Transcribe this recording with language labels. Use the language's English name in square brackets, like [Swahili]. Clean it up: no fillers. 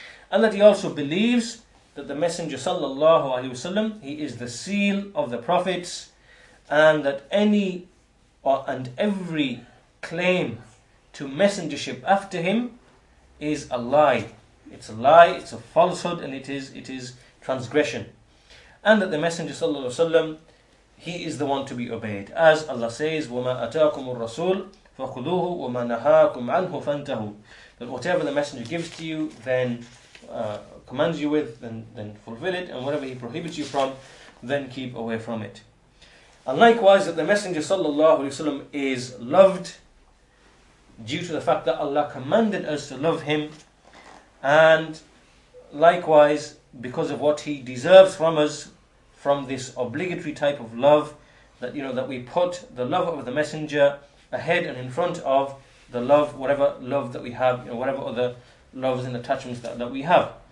[English] And that he also believes that the Messenger sallallahu alaihi wasallam, he is the seal of the prophets, and that any and every claim to messengership after him is a lie. It's a lie, it's a falsehood, and it is transgression. And that the Messenger sallallahu alaihi wasallam, He is the one to be obeyed. As Allah says, [Arabic] وَمَا أَتَاكُمُ الرَّسُولُ فَخُذُوهُ وَمَا نَهَاكُمْ عَنْهُ فَانْتَهُ. [English] That whatever the messenger gives to you, then commands you with, then fulfill it, and whatever he prohibits you from, then keep away from it. And likewise, that the messenger sallallahu alayhi wa sallam is loved due to the fact that Allah commanded us to love him, and likewise, because of what he deserves from us, from this obligatory type of love, that, you know, that we put the love of the messenger ahead and in front of the love, whatever love that we have, you know, whatever other loves and attachments that we have.